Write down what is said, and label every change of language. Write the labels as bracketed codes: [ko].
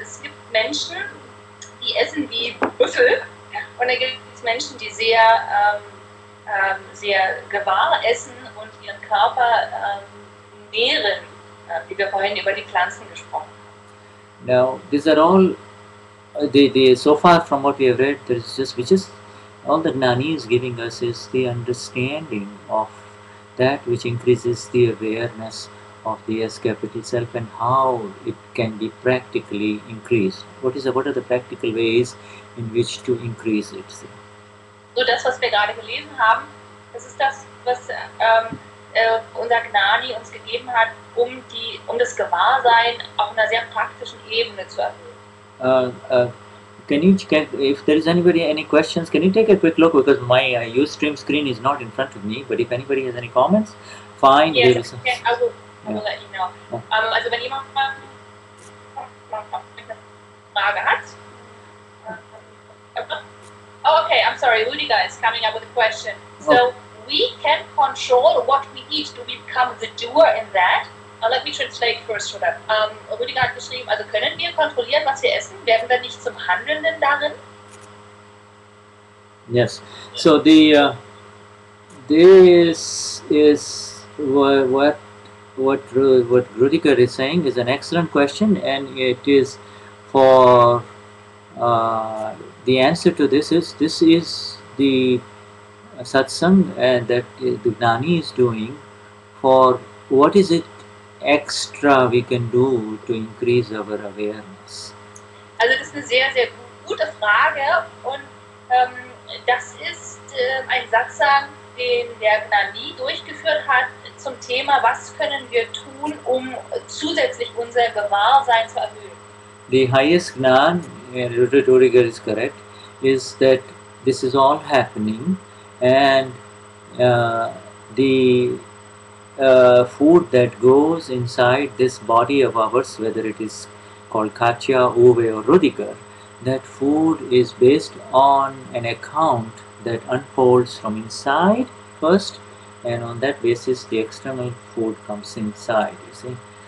[de] Es gibt Menschen, die essen wie Büffel, und dann gibt es Menschen, die sehr, sehr gewahr essen und ihren Körper nähren, wie wir vorhin über die Pflanzen gesprochen haben. [en] Now, these are all the so far from what we have read. There is just which is all that Gnani is giving us is the understanding of that which increases the awareness of the S capital self and how it can be practically increased. What are the practical ways in which to increase it? [de] So das, was wir gerade gelesen haben, das ist das, was unser Gnani uns gegeben hat, um das Gewahrsein auf einer sehr praktischen Ebene zu erhöhen. [en] If there is anybody any questions, can you take a quick look, because my Ustream screen is not in front of me, but if anybody has any comments, fine. Yes, okay, I'm sorry, Rudiger is coming up with a question. So, we can control what we eat. Do we become the doer in that? Let me translate first for that. [de] Rudiger hat geschrieben, also können wir kontrollieren, was wir essen? Werden wir nicht zum Handelnden darin? [en] Yes. So, the this is what Rudiger is saying is an excellent question, and it is for the answer to this is the satsang that the Gnani is doing. For what is it extra we can do to increase our awareness? [de] Also das ist eine sehr, sehr gute Frage, und das ist ein Satsang, den der Gnani durchgeführt hat zum Thema, was können wir tun, um zusätzlich unser Gewahrsein zu erhöhen. [en] The highest Gnan, Rudiger is correct, is that this is all happening, and the food that goes inside this body of ours, whether it is called Katja, Uve or Rudiger, that food is based on an account that unfolds from inside first, and on that basis the external food comes inside, you see.